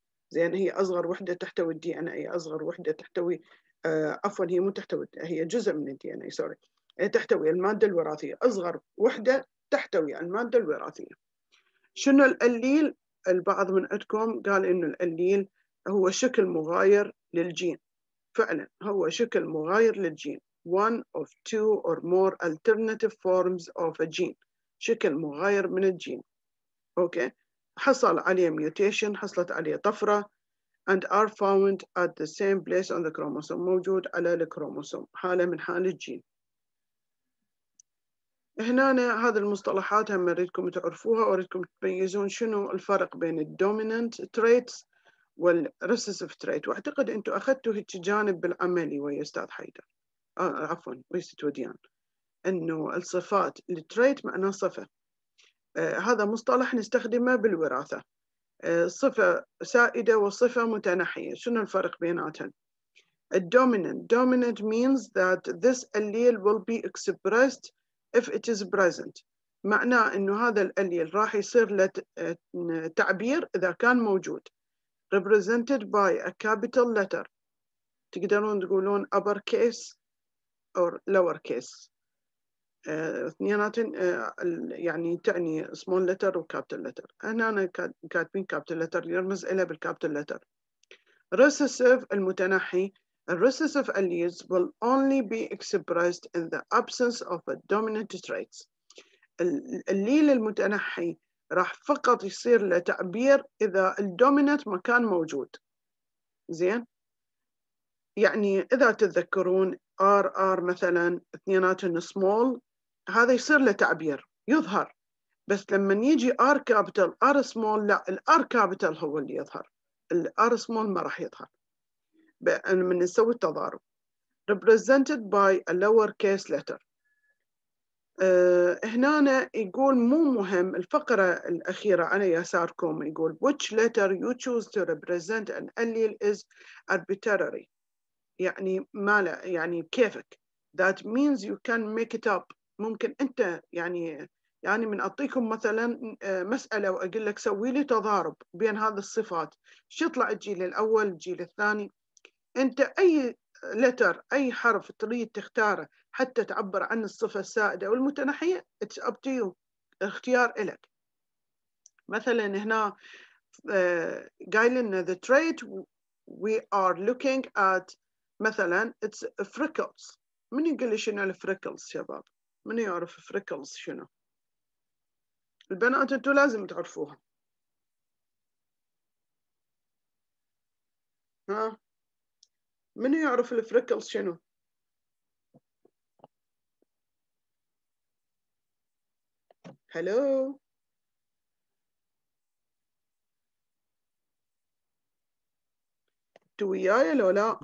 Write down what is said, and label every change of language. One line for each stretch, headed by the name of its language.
Arabic: زين هي أصغر وحدة تحتوي DNA, أصغر وحدة تحتوي عفواً هي مو تحتوي, هي جزء من DNA sorry, تحتوي المادة الوراثية. أصغر وحدة تحتوي المادة الوراثية. شنو الأليل؟ البعض من عندكم قال إنه الأليل هو شكل مغاير للجين. فعلاً هو شكل مغاير للجين.
English: One of two or more alternative forms of a gene.
Arabic: شكل مغاير من الجين. Okay. حصل عليه
English: mutation,
Arabic: حصلت عليه طفرة,
English: and are found at the same place on the chromosome.
Arabic: موجود على الكروموسوم. حالة من حال الجين. هنا هذه المصطلحات هم أريدكم تعرفوها, وأريدكم تميزون شنو الفرق بين الدوميننت تريتس والريسيسيف تريت. وأعتقد أنتم أخذتوا هيك جانب بالعملي ويا أستاذ حيدر, عفوا ويا أستاذ وديان, أنه الصفات التريت معناه صفة. هذا مصطلح نستخدمه بالوراثة, صفة سائدة وصفة متنحية. شنو الفرق بيناتهم؟ الدوميننت,
English: Dominant means that this allele will be expressed if it is present.
Arabic: معنى انه هذا الاليل راح يصير له تعبير اذا كان موجود.
English: Represented by a capital letter.
Arabic: تقدرون تقولون
English: upper case or lower case.
Arabic: اثنيناتن يعني تعني small letter و capital letter. انا كاتبين capital letter, يرمز الى بالcapital letter. Recessive المتنحي.
English: A recessive allele will only be expressed in the absence of a dominant trait.
Arabic: الليل المتنحي راح فقط يصير لتعبير إذا الدومينت ما كان موجود. زين؟ يعني إذا تتذكرون RR مثلاً اثنينات small, هذا يصير لتعبير يظهر. بس لما يجي R capital, R small, لا, R capital هو اللي يظهر. R small ما راح يظهر. بأن من نسوي التضارب.
English: Represented by a lowercase letter.
Arabic: هنا يقول مو مهم, الفقرة الأخيرة على يساركم يقول
English: which letter you choose to represent an allele is arbitrary.
Arabic: يعني ما لا يعني كيفك.
English: That means you can make it up.
Arabic: ممكن أنت يعني من أعطيكم مثلا مسألة وأقول لك سوي لي تضارب بين هذه الصفات. شو يطلع الجيل الأول الجيل الثاني؟ أنت أي letter, أي حرف تريد تختاره حتى تعبر عن الصفة السائدة والمتنحية,
English: it's up to you,
Arabic: اختيار إلك. مثلاً هنا قايل لنا
English: the trait we are looking at,
Arabic: مثلاً
English: it's freckles.
Arabic: من يقول لي شنو الفريكلز شباب؟ من يعرف الفريكلز شنو؟ البنات أنتوا لازم تعرفوها. ها؟ من يعرف الفريكلز شنو؟ هلو؟ انت وياي لو لا؟